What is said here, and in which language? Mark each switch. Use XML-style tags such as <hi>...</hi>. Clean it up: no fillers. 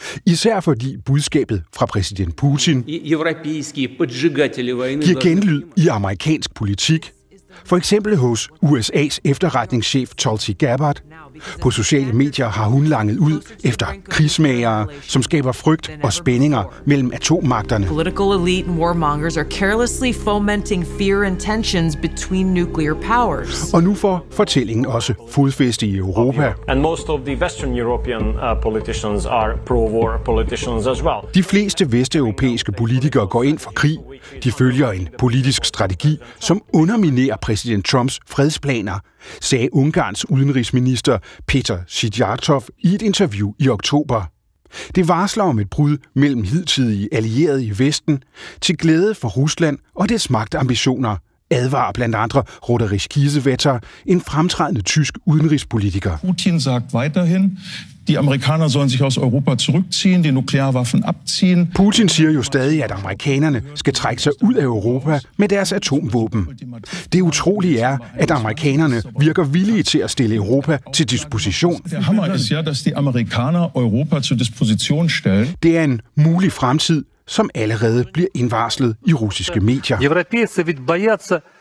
<da>Især fordi budskabet fra præsident Putin giver genlyd i amerikansk politik. For eksempel hos USA's efterretningschef Tulsi Gabbard. På sociale medier har hun langet ud efter krigsmagere, som skaber frygt og spændinger mellem atommagterne.</da> <en>Political elite and warmongers are carelessly fomenting fear and tensions between nuclear powers.</en> <da>Og nu får fortællingen også fodfæste i Europa.</da> <en>And most of the Western European politicians are pro-war politicians as well.</en> <da>De fleste vesteuropæiske politikere går ind for krig. De følger en politisk strategi, som underminerer præsident Trumps fredsplaner, sagde Ungarns udenrigsminister Peter Szijjártóf i et interview i oktober. Det varsler om et brud mellem hidtidige allierede i Vesten til glæde for Rusland og dets magtambitioner, advarer blandt andre Roderich Kiesewetter, en fremtrædende tysk udenrigspolitiker.</da> <de>Putin sagt weiterhin, de amerikanere sollen sich aus Europa zurückziehen, de nukleare waffen abziehen.</de> <da>Putin siger jo stadig, at amerikanerne skal trække sig ud af Europa med deres atomvåben. Det utrolige er, at amerikanerne virker villige til at stille Europa til disposition.</da> <de>Der hammer ist ja, dass die Amerikaner Europa zur Disposition stellen.</de> <da>Det er en mulig fremtid, som allerede bliver indvarslet i russiske medier.</da>